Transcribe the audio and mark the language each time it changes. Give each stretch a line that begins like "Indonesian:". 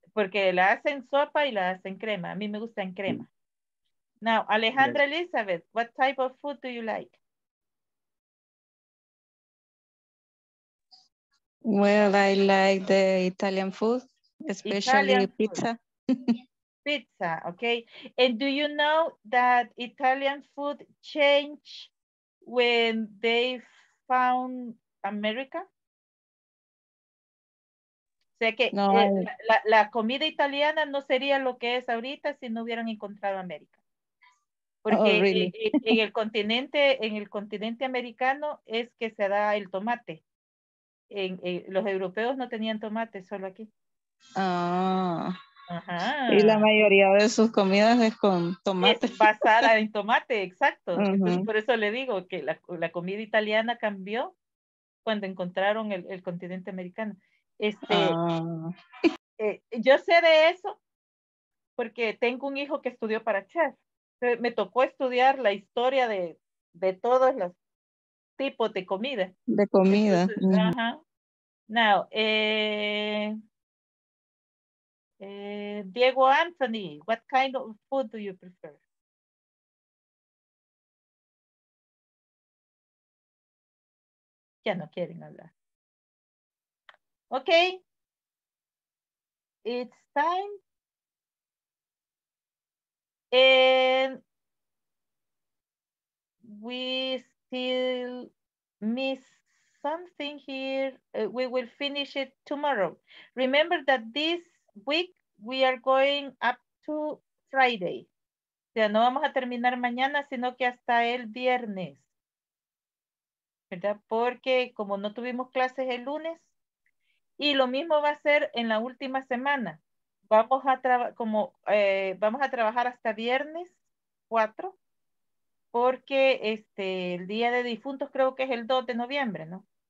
Spanish: Porque la hacen sopa y la hacen crema. A mí me gusta en crema.
English: Now, Alejandra, yes. Elizabeth, what type of food do you like? Well, I like the Italian food, especially Italian pizza. Food. Pizza, okay. And do you know that Italian food changed when they found America?
Spanish: O sea que no, la comida italiana no sería lo que es ahorita si no hubieran encontrado América. Porque
English: oh, really?
Spanish: en el continente americano es que se da el tomate. En los europeos no tenían tomate, solo aquí. Ah. Y la mayoría de sus comidas es con tomate. Es basada en tomate, exacto. Uh-huh. Entonces, por eso le digo que la comida italiana cambió cuando encontraron el continente americano. Yo sé de eso porque tengo un hijo que estudió para chef. Me tocó estudiar la historia de todos los tipos de comida. De comida. Entonces, uh-huh.
English: Now, Diego Anthony, what kind of food do you prefer?
Spanish: Ya no quieren hablar. Okay.
English: It's time. And we still miss something here. We will finish it tomorrow. Remember that this week we are going up to Friday.
Spanish: O sea, no vamos a terminar mañana, sino que hasta el viernes. ¿Verdad? Porque como no tuvimos clases el lunes, y lo mismo va a ser en la última semana. Vamos a trabajar hasta viernes 4, porque el Día de Difuntos creo que es el 2 de noviembre, ¿no?